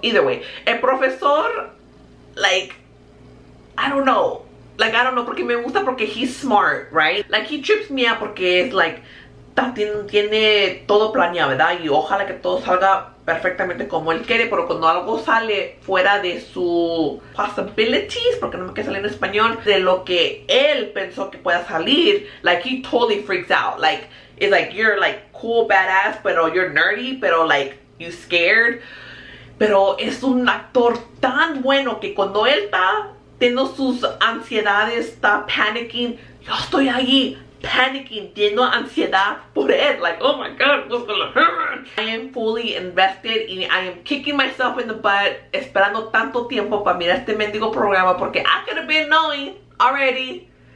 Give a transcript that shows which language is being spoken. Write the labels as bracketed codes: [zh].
[en] Either way, el profesor, like, I don't know. Like, I don't know, porque me gusta porque he's smart, right? Like, he trips me out porque es, like, tiene todo planeado, ¿verdad? [es] Y ojalá que todo salga perfectamente como él quiere. Pero cuando algo sale fuera de su possibilities, porque no me queda salir en español, de lo que él pensó que pueda salir, like, he totally freaks out. [en] Like, it's like, you're, like, cool, badass, pero you're nerdy, pero, like, you scared. [es] Pero es un actor tan bueno que cuando él está teniendo sus ansiedades, está panicking. Yo estoy ahí, panicking, teniendo ansiedad por él. [en] Like, oh my God, what's gonna happen? I am fully invested and I am kicking myself in the butt, esperando tanto tiempo para mirar este mendigo programa, porque I could have been knowing already.